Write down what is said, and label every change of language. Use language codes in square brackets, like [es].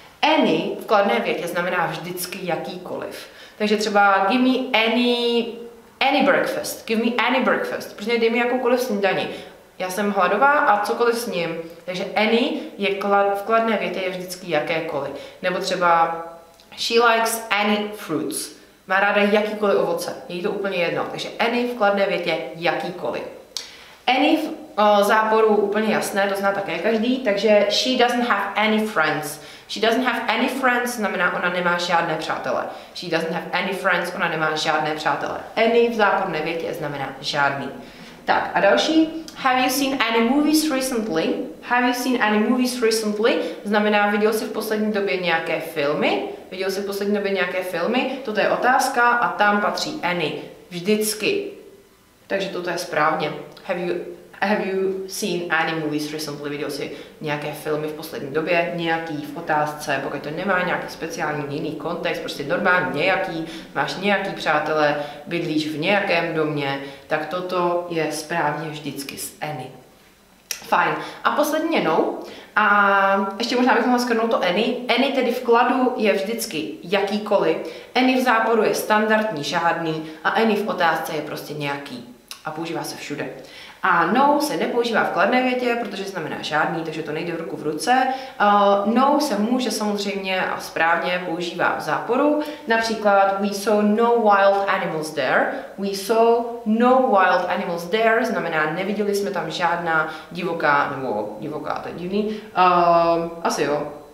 [cs] Any v kladné větě znamená vždycky jakýkoliv. Takže třeba [en] give me any breakfast. Give me any breakfast. [cs] Prostě dej mi jakoukoliv snídani. Já jsem hladová a cokoliv s ním. Takže any je v kladné větě je vždycky jakékoliv. Nebo třeba [en] she likes any fruits. [cs] Má ráda jakýkoliv ovoce. Je jí to úplně jedno. Takže any v kladné větě jakýkoliv. Any v záporu úplně jasné, to zná také každý. [en] Takže she doesn't have any friends. She doesn't have any friends [cs] znamená, ona nemá žádné přátele. [en] She doesn't have any friends, [cs] ona nemá žádné přátele. Any v záporné větě znamená žádný. Tak a další. [en] Have you seen any movies recently? Have you seen any movies recently? [cs] Znamená, viděl jsi v poslední době nějaké filmy? Viděl jsi v poslední době nějaké filmy? Toto je otázka a tam patří any. Vždycky. Takže toto je správně. [en] Have you seen any movies recently? [cs] Viděl jsi nějaké filmy v poslední době? Nějaký v otázce, pokud to nemá nějaký speciální jiný kontext, prostě normální nějaký, máš nějaký přátelé, bydlíš v nějakém domě, tak toto je správně vždycky s any. Fajn. A posledně no. A ještě možná bych mohla shrnout to any. Any tedy v kladu je vždycky jakýkoliv. Any v záporu je standardní, žádný. A any v otázce je prostě nějaký. A používá se všude. A no se nepoužívá v kladné větě, protože znamená žádný, takže to nejde v ruku v ruce. No se může samozřejmě a správně používá v záporu. Například [en] we saw no wild animals there. We saw no wild animals there. [cs] Znamená, neviděli jsme tam žádná divoká, nebo divoká, to je divný. Asi jo.